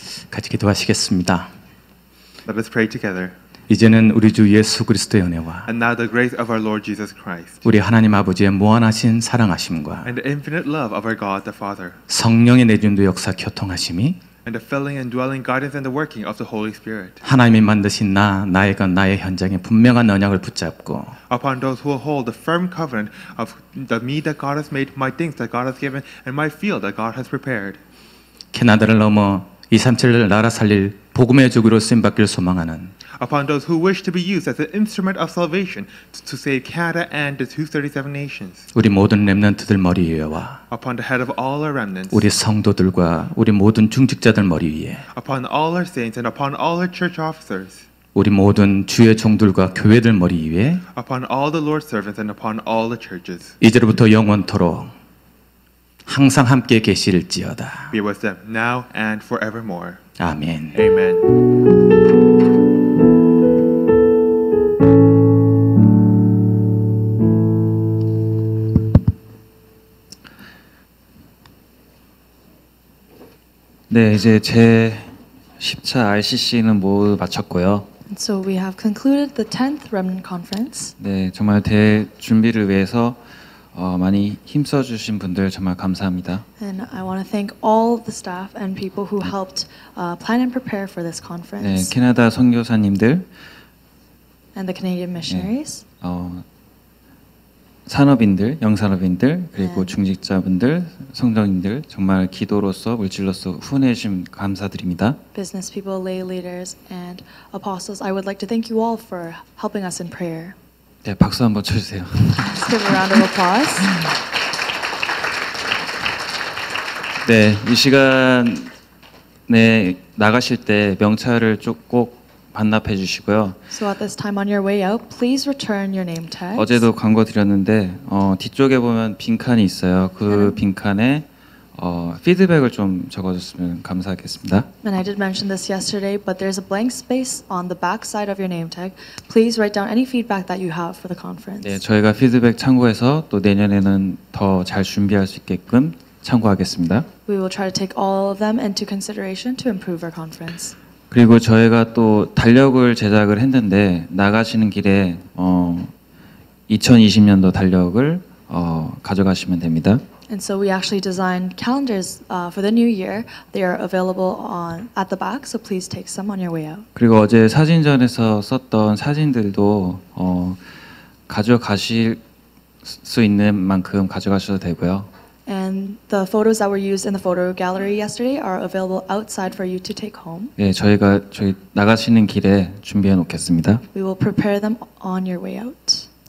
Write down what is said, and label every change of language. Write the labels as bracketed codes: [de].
[ko] 같이 기도하시겠습니다. [en] Let us pray together. [ko] 이제는 우리 주 예수 그리스도의 은혜와 [en] And now the grace of our Lord Jesus Christ. [ko] 우리 하나님 아버지의 무한하신 사랑하심과 [en] And the infinite love of our God the Father. [ko] 성령의 내준도 역사 교통하심이 [en] And the filling and dwelling guidance and the working of the Holy Spirit. [ko] 하나님이 만드신 나, 나의 것, 나의 현장에 분명한 언약을 붙잡고 [en] Upon those who hold the firm covenant of the me that God has made, my things that God has given, and my field that God has prepared. [ko] 캐나다를 넘어 237을 나라 살릴 복음의 주기로 쓰임 받기를 소망하는 [en] upon those who wish to be used as an instrument of salvation to save Canada and the 237 nations. [ko] 우리 모든 렘넌트들 머리 위에와 [en] upon the head of all our remnants. [ko] 우리 성도들과 우리 모든 중직자들 머리 위에 [en] upon all our saints and upon all our church officers. [ko] 우리 모든 주의 종들과 교회들 머리 위에 [en] upon all the Lord's servants and upon all the churches. [ko] 이제부터 영원토록 항상 함께 계실지어다. [en] Be with them now and forevermore. [ko] 아멘. [en] Amen. [ko] 네, 이제 제 10차 RCC는 모두 마쳤고요. [en] So we have concluded the 10th Remnant Conference. [ko] 네, 정말 대준비를 위해서 많이 힘써 주신 분들 정말 감사합니다. [en] And I want to thank all the staff and people who helped plan and prepare for this conference. [ko] 네, 캐나다 선교사님들 [en] and the Canadian missionaries. 네, [ko] 산업인들, 영산업인들, 그리고 and 중직자분들, 성도님들 정말 기도로서 물질로서 후원해 주신 감사드립니다. [en] Business people, lay leaders and apostles. I would like to thank you all for helping us in prayer. [ko] 네, 박수 한번 쳐주세요. [en] Just give a round of applause. [ko] 네, 이 시간에 나가실 때 명찰을 꼭 반납해 주시고요. [en] So at this time on your way out, please return your name tag. [ko] 어제도 광고 드렸는데 뒤쪽에 보면 빈칸이 있어요. 그 빈칸에 피드백을 좀 적어줬으면 감사하겠습니다. [en] And I did mention this yesterday, but there's a blank space on the back side of your name tag. Please write down any feedback that you have for the conference. [ko] 네, 저희가 피드백 참고해서 또 내년에는 더 잘 준비할 수 있게끔 참고하겠습니다. [en] We will try to take all of them into consideration to improve our conference. [ko] 그리고 저희가 또 달력을 제작을 했는데 나가시는 길에 2020년도 달력을 가져가시면 됩니다. [en] And so we actually designed calendars for the new year. They are available on at the back, so please take some on your way out. [ko] 그리고 어제 사진전에서 썼던 사진들도 가져가실 수 있는 만큼 가져가셔도 되고요. [en] And the photos that were used in the photo gallery yesterday are available outside for you to take home. [ko] 네, 저희 나가시는 길에 준비해 놓겠습니다. [en] We will prepare them on your way out.